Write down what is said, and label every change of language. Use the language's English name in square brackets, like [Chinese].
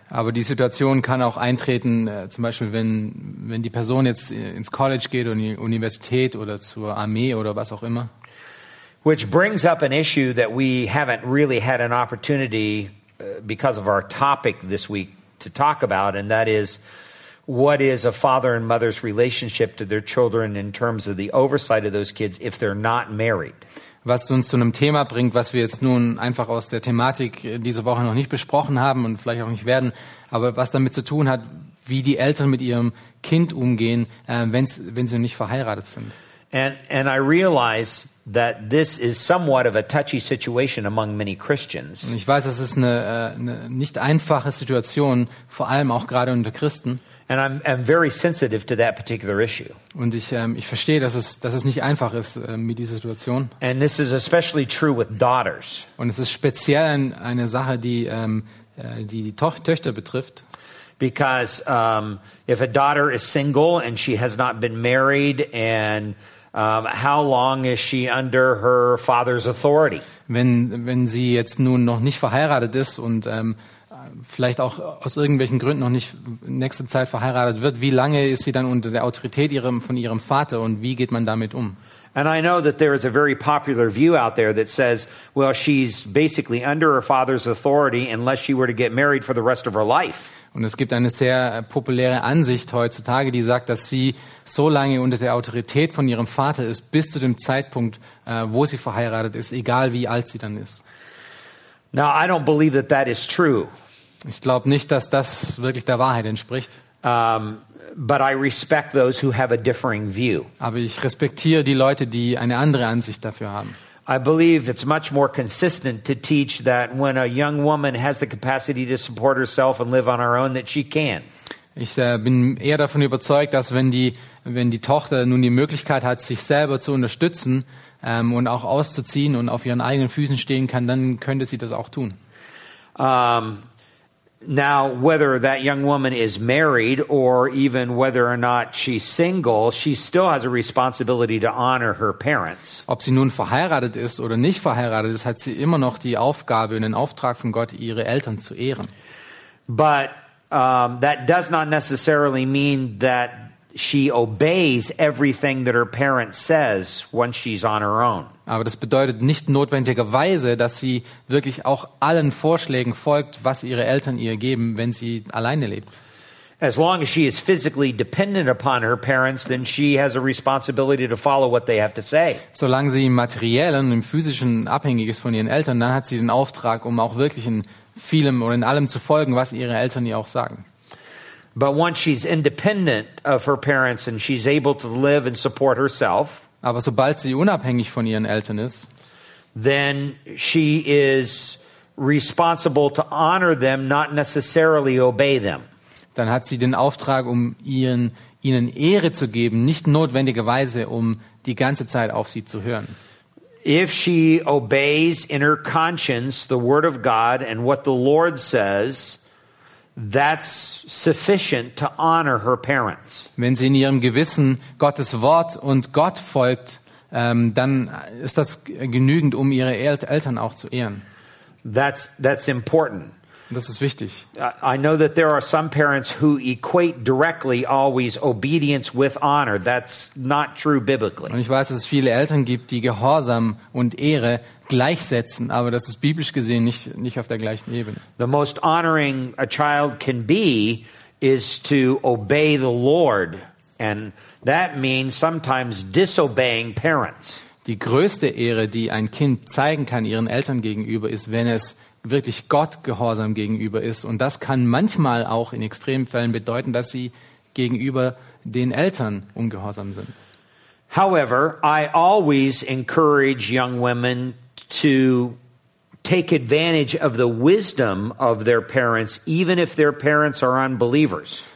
[German] Aber die Situation kann auch eintreten, zum Beispiel wenn die Person jetzt ins College geht oder in die Universität oder zur Armee oder was auch immer. [English] Which brings up an issue that we haven't really had an opportunity because of our topic this week to talk about, and that is what is a father and mother's relationship to their children in terms of the oversight of those kids if they're not married. [German] Was uns zu einem Thema bringt, was wir jetzt nun einfach aus der Thematik diese Woche noch nicht besprochen haben und vielleicht auch nicht werden, aber was damit zu tun hat, wie die Eltern mit ihrem Kind umgehen, wenn sie noch nicht verheiratet sind. [English] And I realize that this is somewhat of a touchy situation among many Christians. [German] Und ich weiß, es ist eine nicht einfache Situation, vor allem auch gerade unter Christen. [English] And I'm very sensitive to that particular issue. [German] Und ich verstehe, dass es nicht einfach ist mit dieser Situation. [English] And this is especially true with daughters. [German] Und es ist speziell eine Sache, die Töchter betrifft. [English] Because if a daughter is single and she has not been married, and how long is she under her father's authority? [German] Wenn sie jetzt nun noch nicht verheiratet ist und vielleicht auch aus irgendwelchen Gründen noch nicht nächste Zeit verheiratet wird, wie lange ist sie dann unter der Autorität von ihrem Vater und wie geht man damit um? [English] And I know that there is a very popular view out there that says, well, she's basically under her father's authority unless she were to get married for the rest of her life. [German] Und es gibt eine sehr populäre Ansicht heutzutage, die sagt, dass sie so lange unter der Autorität von ihrem Vater ist, bis zu dem Zeitpunkt, wo sie verheiratet ist, egal wie alt sie dann ist. [English] Now, I don't believe that that is true. [German] Ich glaube nicht, dass das wirklich der Wahrheit entspricht. [English] But I respect those who have a differing view. [German] Aber ich respektiere die Leute, die eine andere Ansicht dafür haben. [English] I believe it's much more consistent to teach that when a young woman has the capacity to support herself and live on her own, that she can. [German] Ich bin eher davon überzeugt, dass wenn die Tochter nun die Möglichkeit hat, sich selber zu unterstützen und auch auszuziehen und auf ihren eigenen Füßen stehen kann, dann könnte sie das auch tun. [English] Now, whether that young woman is married or even whether or not she's single, she still has a responsibility to honor her parents. [German] Ob sie nun verheiratet ist oder nicht verheiratet ist, hat sie immer noch die Aufgabe und den Auftrag von Gott, ihre Eltern zu ehren. [English] But that does not necessarily mean that she obeys everything that her parent says once she's on her own. [German] Aber das bedeutet nicht notwendigerweise, dass sie wirklich auch allen Vorschlägen folgt, was ihre Eltern ihr geben, wenn sie alleine lebt. [English] as long as she is physically dependent upon her parents, then she has a responsibility to follow what they have to say. [German] Solange sie materiell und im physischen abhängig ist von ihren Eltern, dann hat sie den Auftrag, um auch wirklich in vielem oder in allem zu folgen, was ihre Eltern ihr auch sagen. [English] But once she's independent of her parents and she's able to live and support herself, [German] aber sobald sie unabhängig von ihren Eltern ist, [English] then she is responsible to honor them, not necessarily obey them. [German] Dann hat sie den Auftrag, um ihnen Ehre zu geben, nicht notwendigerweise, um die ganze Zeit auf sie zu hören. [English] If she obeys in her conscience the word of God and what the Lord says, that's sufficient to honor her parents. [German] Wenn sie in ihrem Gewissen Gottes Wort und Gott folgt, dann ist das genügend, um ihre Eltern auch zu ehren. [English] That's important. [German] Das ist wichtig. [English] I know that there are some parents who equate directly always obedience with honor. That's not true biblically. [German] Und ich weiß, dass es viele Eltern gibt, die Gehorsam und Ehre gleichsetzen, aber das ist biblisch gesehen nicht auf der gleichen Ebene. The most honoring a child can be is to obey the Lord, and that means sometimes disobeying parents. Die größte Ehre, die ein Kind zeigen kann ihren Eltern gegenüber, ist, wenn es wirklich Gott gehorsam gegenüber ist. Und das kann manchmal auch in extremen Fällen bedeuten, dass sie gegenüber den Eltern ungehorsam sind. [English] However, I always encourage young women to take advantage of the wisdom of their parents, even if their parents are unbelievers.